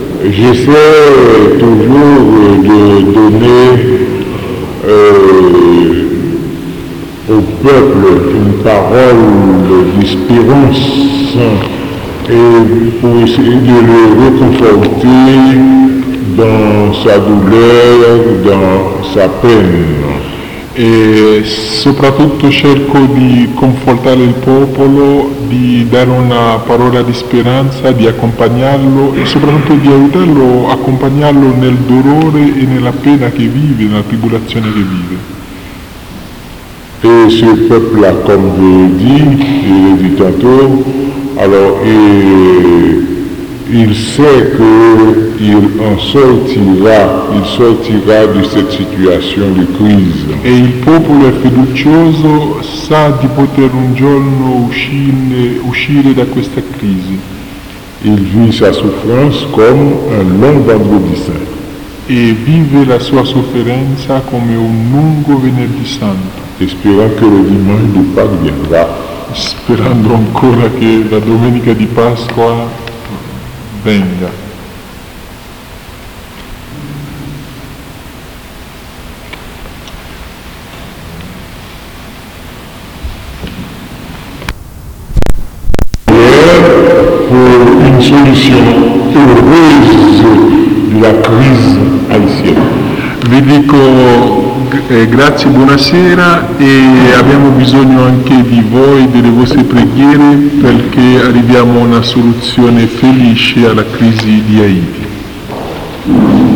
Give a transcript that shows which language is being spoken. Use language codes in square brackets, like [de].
[fr] J'essaie toujours de donner au peuple une parole d'espérance et pour essayer de le réconforter dans sa douleur, dans sa peine. [it] E soprattutto cerco di confortare il popolo, di dare una parola di speranza, di accompagnarlo e soprattutto di aiutarlo, accompagnarlo nel dolore e nella pena che vive, nella tribolazione che vive. [fr] Et ce peuple-là, comme je l'ai dit, je l'ai dit tantôt, alors il sait qu'il en sortira, il sortira de cette situation de crise. [it] Et il popolo fiducioso sa di poter un giorno uscire da questa crisi. [fr] Il vit sa souffrance comme un long vendredi saint. [it] E vive la sua sofferenza come un lungo venerdì santo. [fr] Espérant que le dimanche de Pâques viendra. [it] Sperando ancora che la domenica di Pasqua venga. [fr] Pour une solution heureuse du la crise haïtienne. [it] Vi dico grazie, buonasera, e abbiamo bisogno anche di voi, delle vostre preghiere, perché arriviamo a una soluzione felice alla crisi di Haiti.